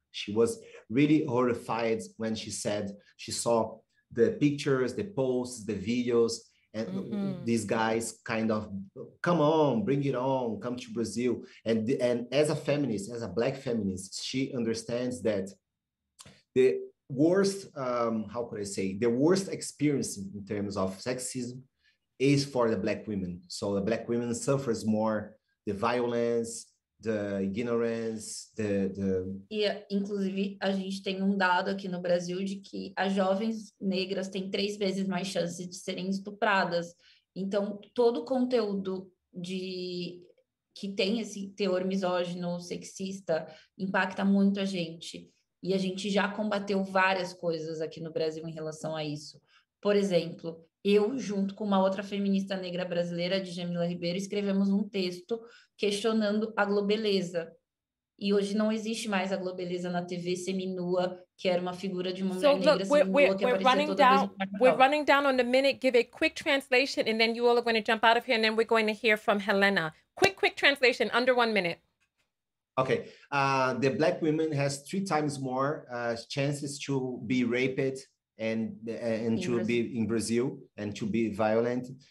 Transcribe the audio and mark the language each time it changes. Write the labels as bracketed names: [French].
[English] She was really horrified when she said she saw the pictures, the posts, the videos, and these guys kind of, come on, bring it on, come to Brazil. And as a feminist, as a Black feminist, she understands that the worst, how could I say, the worst experience in terms of sexism is for the Black women. So the Black women suffers more the violence, the ignorance, the... [Portuguese] E, inclusive, a gente tem dado aqui no Brasil de que as jovens negras têm 3 vezes mais chances de serem estupradas. Então, todo conteúdo de... que tem esse teor misógino, sexista, impacta muito a gente. E a gente já combateu várias coisas aqui no Brasil em relação a isso. Por exemplo, eu, junto com uma outra feminista negra brasileira, de Djamila Ribeiro, escrevemos um texto questionando a globeleza. E hoje não existe mais a globeleza na TV seminua, que era uma figura de uma mulher negra seminua, que aparecia toda vez. [English] We're running down on the minute. Give a quick translation, and then you all are going to jump out of here, and then we're going to hear from Helena. Quick translation, under 1 minute. Okay. The Black women has 3 times more chances to be raped and to be in Brazil and to be violent.